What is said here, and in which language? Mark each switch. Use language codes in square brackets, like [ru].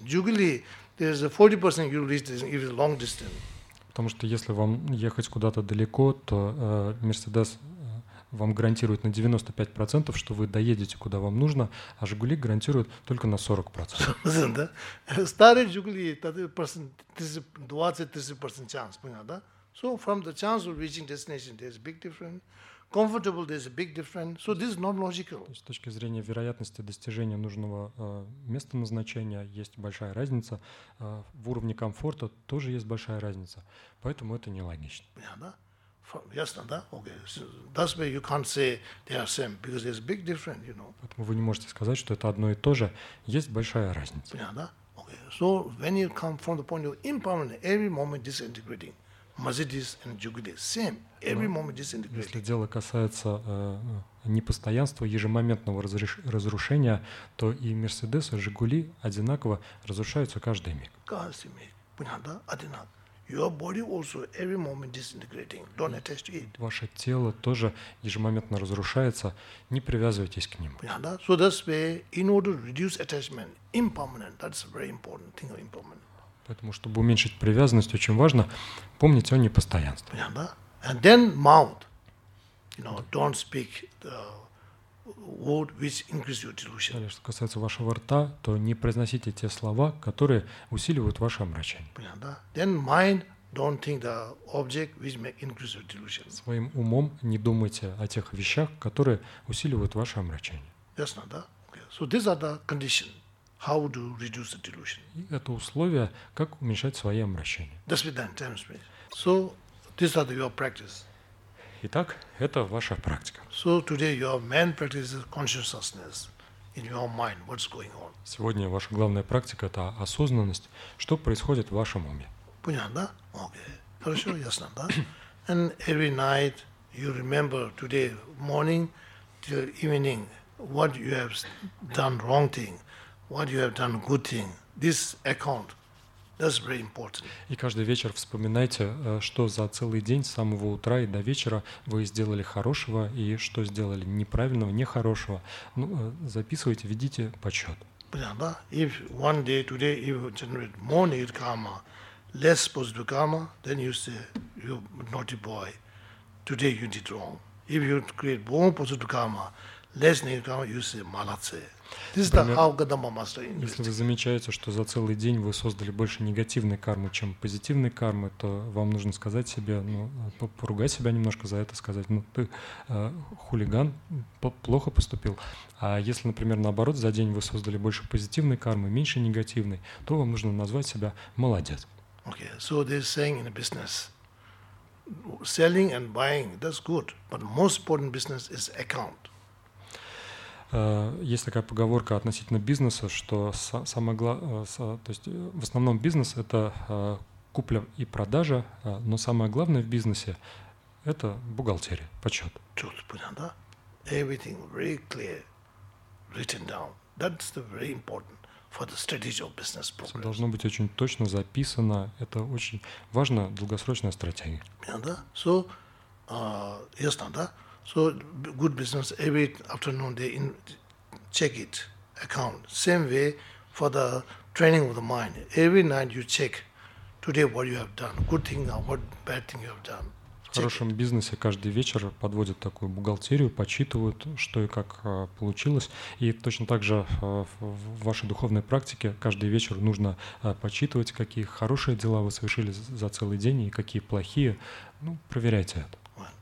[en] Жигули, there's 40% you reach the destination, even long distance. [ru] Потому что если вам ехать куда-то далеко, то Mercedes вам гарантирует на 95%, что вы доедете, куда вам нужно, а «Жигули» гарантирует только на 40%. Старый «Жигули» – 20-30% шанс, понял, да? [en] So from the chance of reaching destination, there's a big difference. Comfortable, there's a big difference. So this is not logical. [ru] С точки зрения вероятности достижения нужного места назначения есть большая разница. В уровне комфорта тоже есть большая разница. Поэтому это нелогично. Понял, да? Ясно, да? Okay. [en] So that's why you can't say they are same, because there's a big difference, you know. [ru] Поэтому вы не можете сказать, что это одно и то же. Есть большая разница. Понятно, да? [en] Okay. So when you come from the point of impermanent, every moment disintegrating, Mercedes and Jugli, same. Every moment disintegrating. [ru] Если дело касается непостоянства, ежемоментного разрушения, то и Mercedes, и Жигули одинаково разрушаются каждый миг. Каждый миг. Понятно, да? Одинаково. [en] Your body also every moment disintegrating. Don't attach to it. [ru] Ваше тело тоже ежемоментно разрушается. Не привязывайтесь к ним. Понятно, да? [en] So that's why, in order to reduce attachment, impermanent, that's a very important thing of impermanent. [ru] Поэтому, чтобы уменьшить привязанность, очень важно помнить о непостоянстве. Понятно, да? [en] And then mouth. You know, don't speak the word which increases your delusion. [ru] Что касается вашего рта, то не произносите те слова, которые усиливают ваше омрачение. Понятно, да? [en] Then mind, don't think the object which may increase your delusion. [ru] Своим умом не думайте о тех вещах, которые усиливают ваше омрачение. Ясно, да? [en] Okay. So these are the condition. How do you reduce the delusion? [ru] И это условия, как уменьшать свои омрачения. До свидания, [en] time space. So these are your practice. [ru] Итак, это ваша практика. [en] So today your main practice is consciousness in your mind. What's going on? [ru] Сегодня ваша главная практика – это осознанность. Что происходит в вашем уме? Понятно, да? Окей. Хорошо, ясно, да? [en] And every night you remember today morning till evening what you have done wrong thing, what you have done good thing. This account, that's very important. [ru] И каждый вечер вспоминайте, что за целый день, с самого утра и до вечера, вы сделали хорошего и что сделали неправильного, нехорошего. Ну, записывайте, ведите подсчет. Понятно, да? [en] If one day, today, you generate more negative karma, less positive karma, then you say, you naughty boy, today you did wrong. If you create more positive karma, less negative karma, you say, [ru] молодцы. [en] This is how Gadamba Master is. [ru] Если вы замечаете, что за целый день вы создали больше негативной кармы, чем позитивной кармы, то вам нужно сказать себе, ну, поругать себя немножко за это, сказать, ну, ты хулиган, плохо поступил. А если, например, наоборот, за день вы создали больше позитивной кармы, меньше негативной, то вам нужно назвать себя молодец. [en] Okay, so they're saying in a business, selling and buying, that's good, but most important business is account. [ru] Есть такая поговорка относительно бизнеса, что то есть в основном бизнес – это купля и продажа, но самое главное в бизнесе – это бухгалтерия, подсчет. Чёрт, понятно, да? [en] Everything very clear, written down. That's the very important for the strategy of business progress. [ru] Все должно быть очень точно записано. Это очень важно, долгосрочная стратегия. Понятно, да? So, ясно, да? [en] So good business every afternoon they check it account same way for the training of the mind every night you check today what you have done good thing or what bad thing you have done. [ru] В хорошем бизнесе каждый вечер подводят такую бухгалтерию, подсчитывают, что и как получилось, и точно так же в вашей духовной практике каждый вечер нужно подсчитывать, какие хорошие дела вы совершили за целый день и какие плохие. Ну, проверяйте это.